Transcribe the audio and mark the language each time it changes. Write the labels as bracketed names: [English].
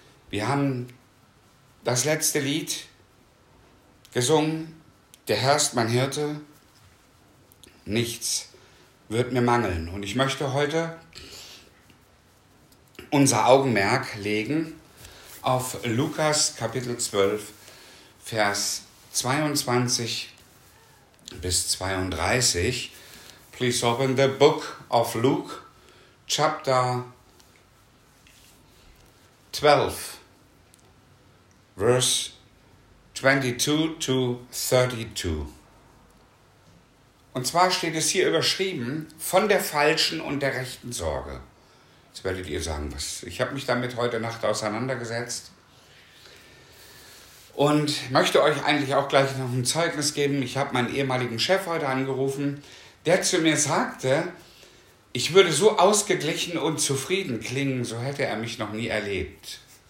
[German] Wir haben das letzte Lied gesungen, der Herr ist mein Hirte, nichts wird mir mangeln. Und ich möchte heute unser Augenmerk legen auf Lukas Kapitel 12, Vers 22 bis 32. [English] Please open the book of Luke, Chapter 12, verse 22 to 32. [German] Und zwar steht es hier überschrieben, von der falschen und der rechten Sorge. Jetzt werdet ihr sagen, was? Ich habe mich damit heute Nacht auseinandergesetzt und möchte euch eigentlich auch gleich noch ein Zeugnis geben. Ich habe meinen ehemaligen Chef heute angerufen, der zu mir sagte, ich würde so ausgeglichen und zufrieden klingen, so hätte er mich noch nie erlebt.